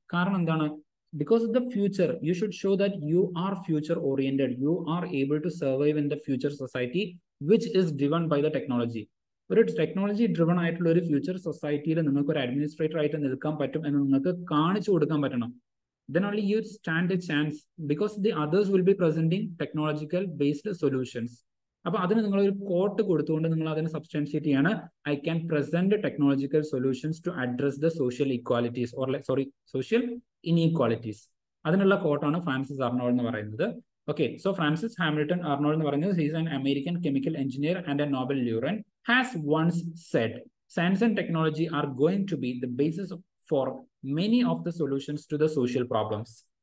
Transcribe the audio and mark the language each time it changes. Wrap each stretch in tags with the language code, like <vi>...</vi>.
<ml>കാരണം എന്താണ്,</ml> <en>Because of the future you should show that you are future oriented, you are able to survive in the future society which is driven by the technology.</en> <ml>ഒരു technology driven ആയിട്ടുള്ള ഒരു future സൊസൈറ്റിയിൽ നിങ്ങൾക്ക് ഒരു administrator ആയിട്ട് നിൽക്കാൻ പറ്റും എന്ന് നിങ്ങൾക്ക് കാണിച്ചു കൊടുക്കാൻ പറ്റണം.</ml> <en>Then only you stand a chance because the others will be presenting technological based solutions.</en> <ml>അപ്പൊ അതിന് നിങ്ങൾ ഒരു കോട്ട് കൊടുത്തുകൊണ്ട് നിങ്ങൾ അതിനെ സബ്സ്റ്റൻഷിയേറ്റ് ചെയ്യാണ്,</ml> <en>I can present technological solutions to address the social equalities or sorry social inequalities.</en> <ml>അതിനുള്ള കോട്ടാണ് ഫ്രാൻസിസ് അർണോൾഡ് എന്ന് പറയുന്നത്.</ml> <en>Okay, so Francis Hamilton Arnold എന്ന് പറയുന്നത് he's an American chemical engineer and a Nobel laureate has once said science and technology are going to be the basis for many of the solutions to the social problems.</en>